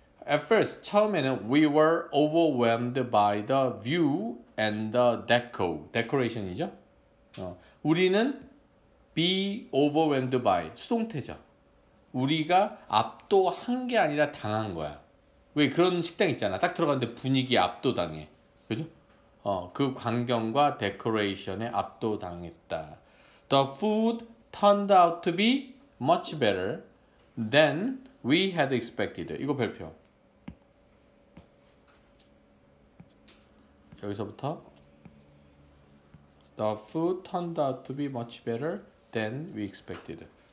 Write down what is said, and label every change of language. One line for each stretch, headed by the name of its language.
English: At first,
Korean: 처음에는
English: we were overwhelmed by the view and the deco decoration이죠?
Korean: 우리는 be overwhelmed by 수동태죠. 우리가 압도한 게 아니라 당한 거야. 왜 그런 식당 있잖아. 딱 들어갔는데 분위기 압도당해. 그죠? 그 광경과 데코레이션에 압도당했다.
English: The food turned out to be much better than we had expected.
Korean: 이거 별표. 여기서부터
English: The food turned out to be much better than we expected.